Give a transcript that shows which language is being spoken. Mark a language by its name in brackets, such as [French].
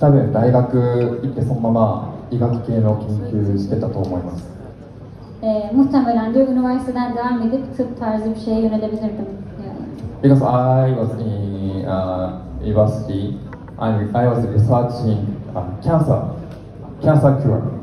[Japanese] 多分大学行ってそのまま医学系の研究してたと思います。 [Turkish] Muhtemelen de üniversiteden devam edip tıp tarzı bir şeye yönelebilirdim. [English] Because I was in university and I was researching cancer cure.